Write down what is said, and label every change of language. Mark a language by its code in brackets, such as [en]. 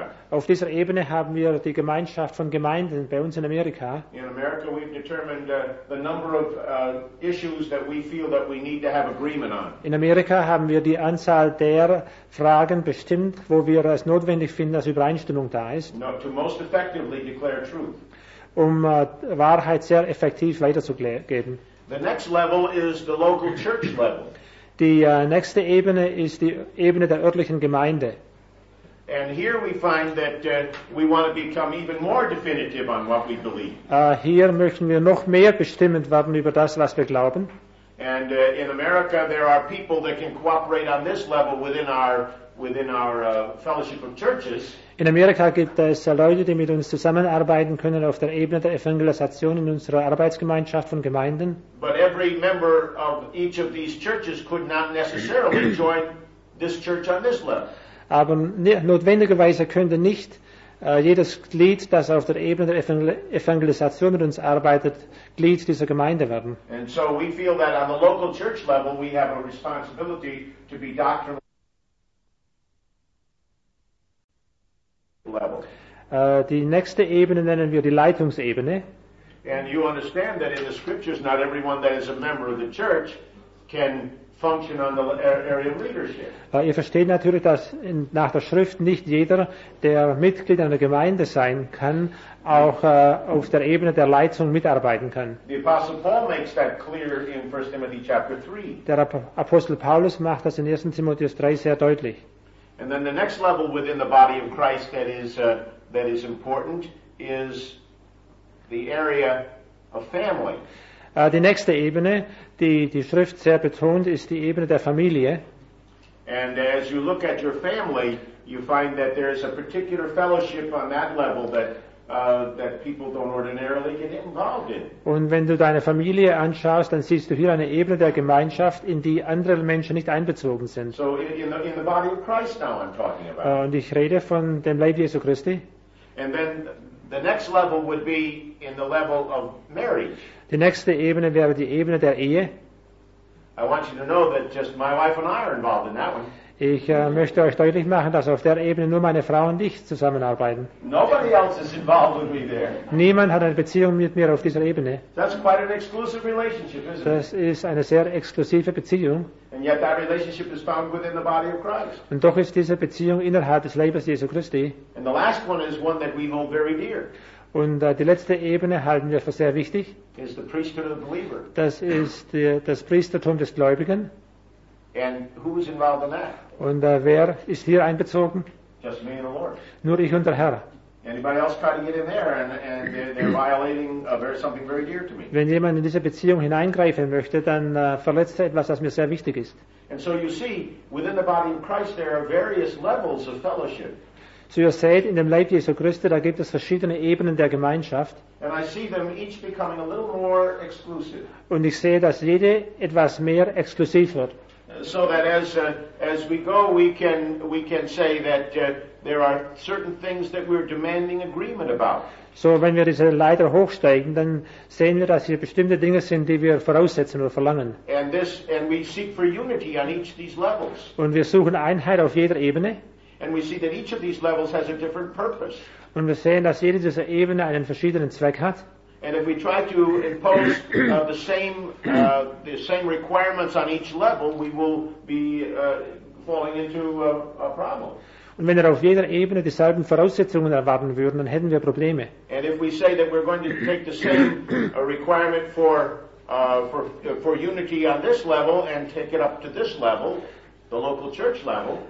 [de] Auf dieser Ebene haben wir die Gemeinschaft von Gemeinden bei uns in Amerika. In Amerika haben wir [en] determined the number of issues that we feel that we need to have agreement on. [de] In Amerika haben wir die Anzahl der Fragen bestimmt, wo wir es notwendig finden, dass Übereinstimmung da ist. [en] No, to most effectively declare truth. [de] Um Wahrheit sehr effektiv weiterzugeben. [en] The next level is the local church level. [de] Die nächste Ebene ist die Ebene der örtlichen Gemeinde. [en] And here we find that we want to become even more definitive on what we believe. [de] Hier möchten wir noch mehr bestimmend werden über das, was wir glauben. [en] And in America there are people that can cooperate on this level within our fellowship of churches. [de] In Amerika gibt es Leute, die mit uns zusammenarbeiten können auf der Ebene der Evangelisation in unserer Arbeitsgemeinschaft von Gemeinden. [en] But every member of each of these churches could not necessarily join this church on this level. [de] Aber notwendigerweise könnte nicht jedes Glied, das auf der Ebene der Evangelisation mit uns arbeitet, Glied dieser Gemeinde werden. [en] And so we feel that on the local church level we have a responsibility to be doctrinal. [de] Die nächste Ebene nennen wir die Leitungsebene. [en] And you understand that in the scriptures not everyone that is a member of the church can function on the area of leadership. [de] Ihr versteht natürlich, dass nach der Schrift nicht jeder, der Mitglied einer Gemeinde sein kann, auch auf der Ebene der Leitung mitarbeiten kann. [en] The Apostle Paul makes that clear in 1 Timothy chapter 3. [de] Der Apostel Paulus macht das in 1. Timotheus 3 sehr deutlich. [en] And then the next level within the body of Christ that is important is the area of family. [de] Die nächste Ebene, die Schrift sehr betont, ist die Ebene der Familie. [en] And as you look at your family, you find that there is a particular fellowship on that level that people don't ordinarily get involved in. [de] Und wenn du deine Familie anschaust, dann siehst du hier eine Ebene der Gemeinschaft, in die andere Menschen nicht einbezogen sind. [en] So in the body of Christ now I'm talking about. [de] Und ich rede von dem Leib Jesu Christi. [en] And then the next level would be in the level of marriage. [de] Die nächste Ebene wäre die Ebene der Ehe. [en] I want you to know that just my wife and I are involved in that one. [de] Ich möchte euch deutlich machen, dass auf der Ebene nur meine Frau und ich zusammenarbeiten. [en] Nobody else is involved with me there. [de] Niemand hat eine Beziehung mit mir auf dieser Ebene. [en] That's quite an exclusive relationship, isn't it? [de] Das ist eine sehr exklusive Beziehung. [en] And yet that relationship is found within the body of Christ. [de] Und doch ist diese Beziehung innerhalb des Leibes Jesu Christi. [en] And the last one is one that we hold very dear. [de] Und die letzte Ebene halten wir für sehr wichtig. [en] Is the priesthood of the believer. [de] Das ist das Priestertum des Gläubigen. [en] And who is involved in that? [de] Und wer ist hier einbezogen? [en] Just me and the Lord. [de] Nur ich und der Herr. [en] Anybody else try to get in there and they're violating something very dear to me. [de] Wenn jemand in diese Beziehung hineingreifen möchte, dann verletzt er etwas, das mir sehr wichtig ist. [en] And so you see, within the body of Christ there are various levels of fellowship. [de] So ihr seht, in dem Leib Jesu Christi, da gibt es verschiedene Ebenen der Gemeinschaft. [en] And I see them each becoming a little more exclusive. [de] Und ich sehe, dass jede etwas mehr exklusiv wird. [en] So that as we go, we can say that there are certain things that we're demanding agreement about. [de] So wenn wir diese Leiter hochsteigen, dann sehen wir, dass hier bestimmte Dinge sind, die wir voraussetzen oder verlangen. [en] And we seek for unity on each of these levels. [de] Und wir suchen Einheit auf jeder Ebene. [en] And we see that each of these levels has a different purpose. [de] Und wir sehen, dass jede dieser Ebene einen verschiedenen Zweck hat. [en] And if we try to impose the same requirements on each level, we will be falling into a problem. [de] Und wenn wir auf jeder Ebene dieselben Voraussetzungen erwarten würden, dann hätten wir Probleme. [en] And if we say that we're going to take the same requirement for unity on this level and take it up to this level, the local church level.